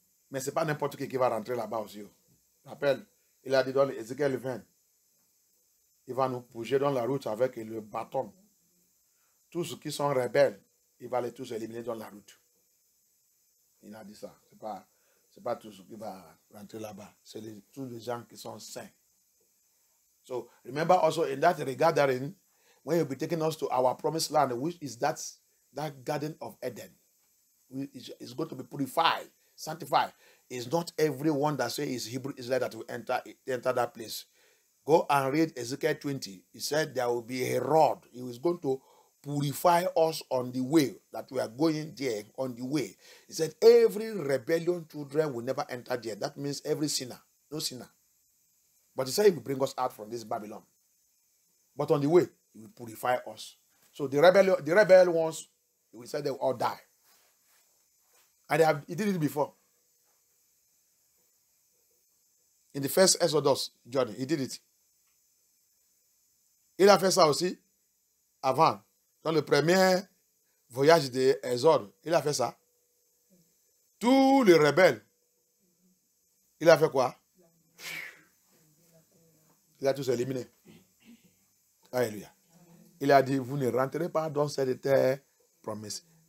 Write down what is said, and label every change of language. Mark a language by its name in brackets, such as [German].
[French] Mais ce n'est pas n'importe qui va rentrer là-bas aussi. Rappelle, il a dit dans Ézéchiel 20, il va nous bouger dans la route avec le bâton. Tous ceux qui sont rebelles, il va les tous éliminer dans la route. Il a dit ça. C'est pas tout ce qui va rentrer là-bas. C'est tous les gens qui sont saints. [English] So, remember also in that regarding, when you'll be taking us to our promised land, which is that garden of Eden, it's going to be purified, sanctified. It's not everyone that says it's Hebrew Israel that will enter that place. Go and read Ezekiel 20. He said there will be a rod. He was going to purify us on the way that we are going there on the way. He said every rebellion children will never enter there. That means every sinner, no sinner. But he said he will bring us out from this Babylon. But on the way, he will purify us. So the rebel ones, we said they will all die. And he did it before. In the first Exodus, Jordan, he did it. [French] Il a fait ça aussi avant. Dans le premier voyage de Exode, il a fait ça. Tous les rebelles, il a fait quoi? Il a tous éliminé. Alléluia. Il a dit, vous ne rentrez pas dans cette terre promise.